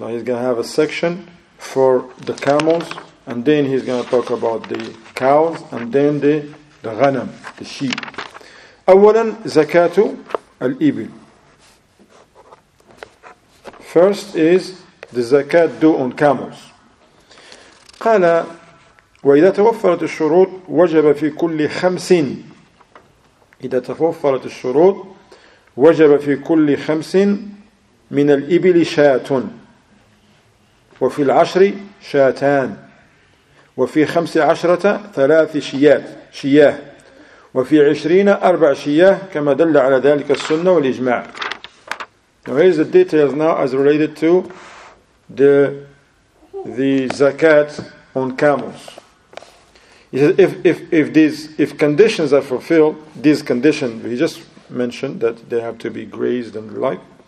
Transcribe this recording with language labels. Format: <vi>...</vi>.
<en>Now, he's going to have a section for the camels, and then he's going to talk about the cows, and then the ghanam, the sheep.</en> <ar>أولاً زكاة الإبل.</ar> <en>First is the zakat due on camels.</en> <ar>قال وإذا توفرت الشروط وجب في كل خمسين. إذا توفرت الشروط وجب في كل خمسين من الإبل شاة. وفي العشر شاتان وفي خمس عشرة ثلاث شياه وفي عشرين أربع شياه كما دل على ذلك السنة والإجماع.</ar> <en>Now here's the details now as related to the zakat on camels. He says if conditions are fulfilled, these conditions we just mentioned that they have to be grazed and the like.</en>